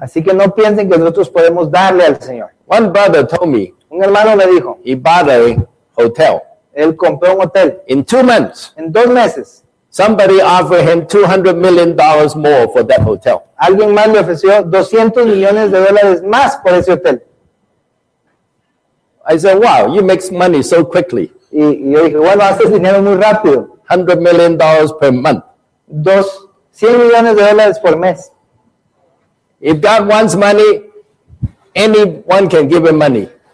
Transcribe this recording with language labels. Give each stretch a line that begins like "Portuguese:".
Spanish: Así que no piensen que nosotros podemos darle al Señor.
English: One brother told me.
Spanish: Un hermano me dijo.
English: He bought a hotel.
Spanish: Él compró un hotel.
English: In 2 months.
Spanish: En 2 meses.
English: Somebody offered him $200 million more for that hotel.
Spanish: Alguien más le ofreció 200 millones de dólares más por ese hotel.
English: I said, wow, you make money so quickly.
Spanish: Y yo dije, bueno, haces dinero muy rápido.
English: $100 million per month.
Spanish: 100 millones de dólares por mes.
English: If God wants money, anyone can give him money.